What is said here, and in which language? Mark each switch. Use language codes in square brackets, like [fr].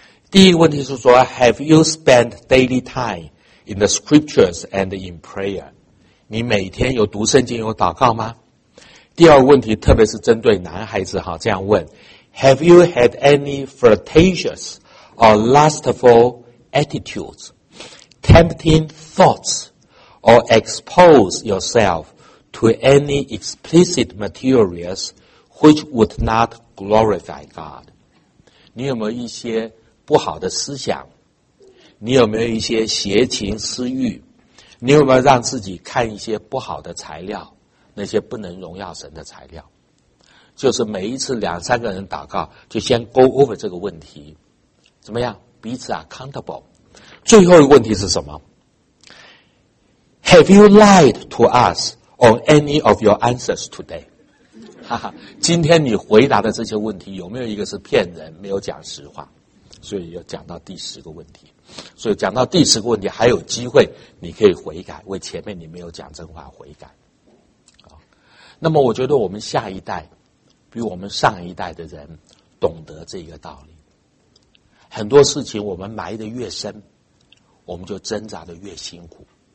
[zh] 第一个问题是说， [en] Have you spent daily time in the scriptures and in prayer? [zh] 你每天有读圣经有祷告吗？第二个问题特别是针对男孩子，这样问， [en] Have you had any flirtatious or lustful attitudes, tempting thoughts, or expose yourself to any explicit materials which would not glorify God? [zh] 你有没有一些不好的思想？你有没有一些邪情私欲？你有没有让自己看一些不好的材料，那些不能荣耀神的材料？就是每一次两三个人祷告，就先 [en] go over [zh] 这个问题，怎么样？彼此 accountable。最后一个问题是什么？ [en] Have you lied to us on any of your answers today? [zh] 哈哈，今天你回答的这些问题有没有一个是骗人，没有讲实话？所以要讲到第十个问题，所以讲到第十个问题还有机会，你可以悔改，为前面你没有讲真话悔改。那么我觉得我们下一代比我们上一代的人懂得这个道理，很多事情我们埋得越深，我们就挣扎得越辛苦。